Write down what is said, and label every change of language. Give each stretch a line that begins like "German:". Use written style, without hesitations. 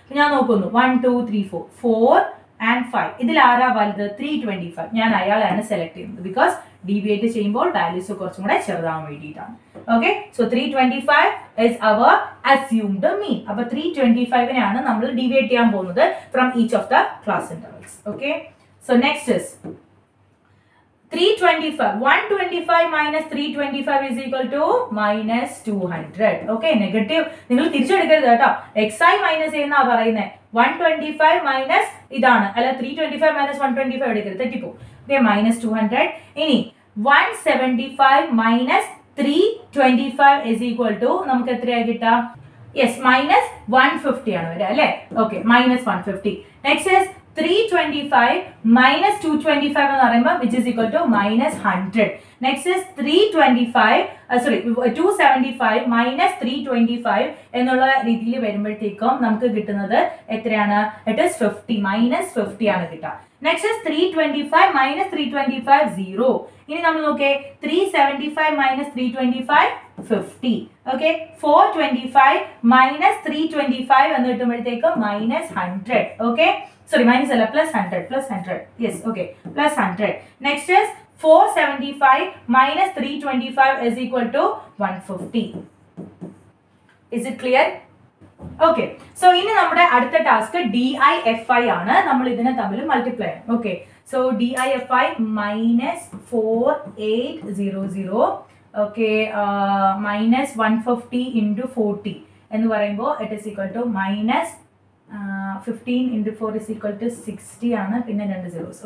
Malayalam: ഞാൻ നോക്കുന്നു, 1, 2, 3, 4, 4 and 5, ഇതിൽ ആരാ വലുത്, 325. ഞാൻ അയാളെയാണ് സെലക്ട് ചെയ്യുന്നത് ബിക്കോസ് ഡീവിയേറ്റ് ചെയ്യുമ്പോൾ വാല്യൂസ് കുറച്ചും കൂടെ ചെറുതാൻ വേണ്ടിയിട്ടാണ്. Okay,
English: So 325 is our assumed mean.
Malayalam: അപ്പൊ 325 നമ്മൾ ഡീവിയേറ്റ് ചെയ്യാൻ പോകുന്നത്
English: From each of the class intervals. Okay, so next is 325 minus 325 is equal to minus 200. Okay, negative.
Malayalam: നിങ്ങൾ തിരിച്ചെടുക്കരുത് കേട്ടോ. എക്സ് ഐ മൈനസ് എന്നാ പറയുന്നത്, 125 minus ഇതാണ്, അല്ല 325 minus 125 എടുക്കരുത്, തെറ്റിപ്പോ.
English: Okay, -200. ഇനി 175 minus 325 is equal to
Malayalam: നമുക്ക് എത്രയാ കിട്ടാം? യെസ്, -150 ആണ് വരിക അല്ലേ. ഓക്കെ, -150.
English: next is 325 minus 225
Malayalam: എന്ന് പറയുമ്പോൾ
English: which is equal to -100. Next is 275 minus 325
Malayalam: എന്നുള്ള രീതിയിൽ വരുമ്പോഴത്തേക്കും നമുക്ക് കിട്ടുന്നത് എത്രയാണ്?
English: it is 50, -50
Malayalam: ആണ് കിട്ടുക.
English: Next is 325 minus 325 0.
Malayalam: ഇനി നമ്മൾ നോക്കേ, 375 minus 325 50. ഓക്കെ, 425 minus 325 എന്ന് കിട്ടുമ്പോഴത്തേക്കും -100.
English: Okay, sorry, minus അല്ല, +100. Yes, okay, +100. Next is 475 minus 325 is equal to 150. Is it clear?
Malayalam: Okay, so ഇനി നമ്മുടെ അടുത്ത task D I F I ആണ്. നമ്മൾ ഇതിനെ തമ്മിൽ മൾട്ടിപ്ലൈ ചെയ്യണം. Okay, so D I F I -4800. Okay, -150 × 40 എന്ന് പറയുമ്പോൾ
English: it is equal to
Malayalam: -15 × 4 = 60 ആണ്, പിന്നെ രണ്ട് സീറോസ്.